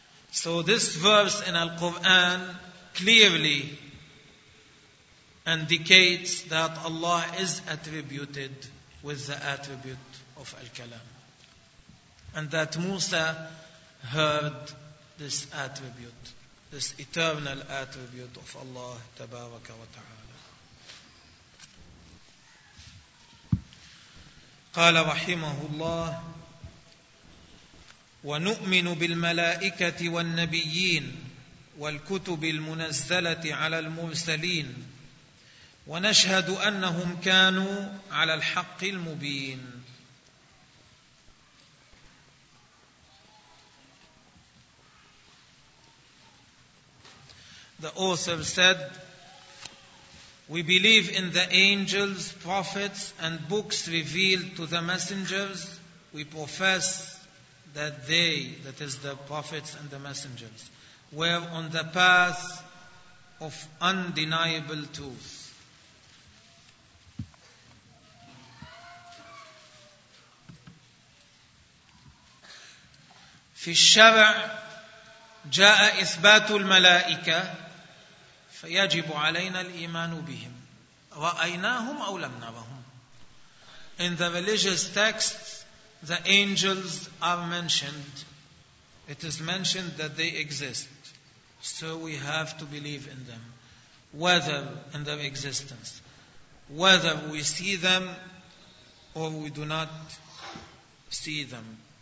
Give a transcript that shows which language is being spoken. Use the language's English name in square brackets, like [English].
[English] So this verse in Al-Quran clearly indicates that Allah is attributed with the attribute of Al-Kalam, and that Musa heard this attribute, this eternal attribute of Allah Tabaraka wa Ta'ala. [Arabic] Qala rahimahullah, ونؤمن بالملائكة والنبيين والكتب المنزلة على المرسلين ونشهد أنهم كانوا على الحق المبين. [English] The author said, we believe in the angels, prophets, and books revealed to the messengers. We profess that they, that is the prophets and the messengers, were on the path of undeniable truth. [Arabic] في الشرع جاء إثبات الملائكة فيجب علينا الإيمان بهم. رأيناهم أو لم نرهم. [English] In the religious text, the angels are mentioned. It is mentioned that they exist. So we have to believe in them, whether in their existence, whether we see them or we do not see them.